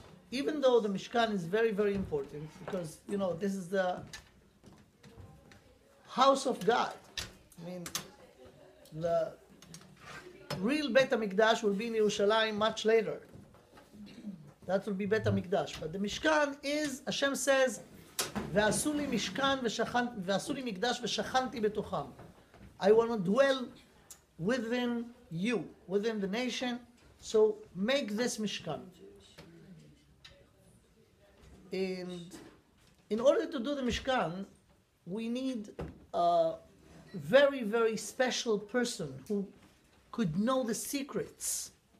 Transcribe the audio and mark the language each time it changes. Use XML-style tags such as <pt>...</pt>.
<en>Even though the Mishkan is very, very important, because, you know, this is the house of God. I mean, the real Beit HaMikdash will be in Yerushalayim much later. That will be Beit HaMikdash. But the Mishkan is, Hashem says,</en> <he>ועשו לי מישכן ועשו לי מקדש ושכנתי בתוכם.</he> <en>I want to dwell within you, within the nation. So make this Mishkan. And in order to do the Mishkan, we need a very, very special person who could know the secrets.</en>